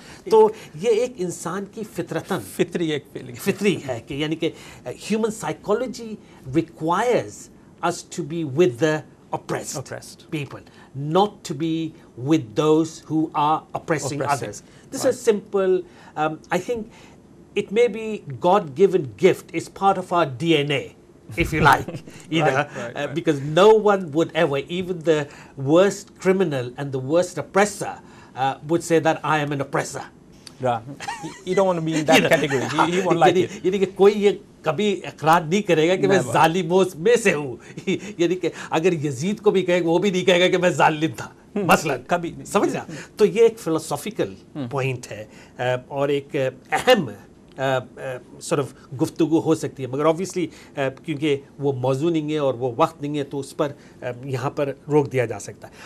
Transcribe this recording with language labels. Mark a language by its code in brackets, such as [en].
[ur] تو یہ ایک انسان کی فطرتاً فطری ہے کہ یعنی کہ [en] Human psychology requires us to be with the appraised people, not to be with those who are appraising others. This is simple. I think it may be God given gift, is part of our D N A if you like, either because no one would ever, even the worst criminal and the worst oppressor would say that I am an oppressor. You don't want to be in that category. He won't like it. [ur] یعنی کہ کوئی یہ کبھی اقرار نہیں کرے گا کہ میں ظالموں میں سے ہوں. یعنی کہ اگر یزید کو بھی کہے وہ بھی نہیں کہے گا کہ میں ظالم تھا مثلاً، کبھی. سمجھ رہا؟ تو یہ ایک فلاسفیکل پوائنٹ ہے اور ایک اہم صرف گفتگو ہو سکتی ہے، مگر آبویسلی کیونکہ وہ موضوع نہیں ہے اور وہ وقت نہیں ہے تو اس پر یہاں پر روک دیا جا سکتا ہے.